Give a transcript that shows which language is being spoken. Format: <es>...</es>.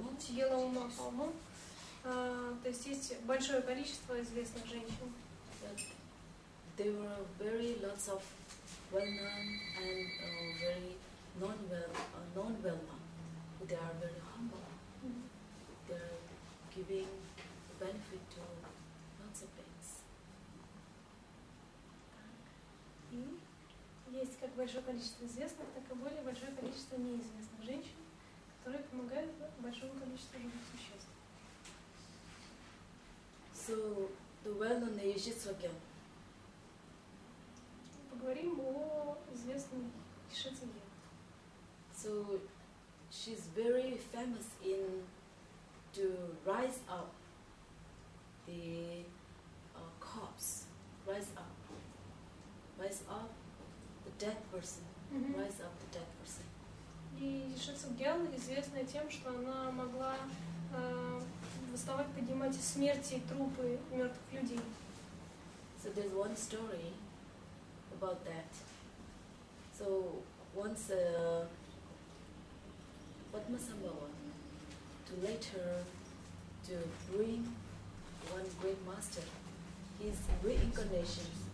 <ru>Гелома Палму. То есть есть большое количество известных женщин.</ru> <en>They were very lots of well-known and very non-well-known. They are very humble. They're giving benefit to lots of things.</en> <ru>Есть как большое количество известных, так и более большое количество неизвестных женщин, которые помогают большому количеству живых существ.</ru> <en>So, the well-known Heishi Sogyal.</en> <ru>Поговорим о известной Heishi Sogyal.</ru> <en>So, she's very famous in to rise up the corpse, rise up. The dead person, rise up the dead person.</en> <ru>И Heishi Sogyal известна тем, что она могла восставать, поднимать из смерти трупы мертвых людей.</ru> <en>So there's one story about that. So once Padmasambhava to later to bring one great master, his reincarnation.</en>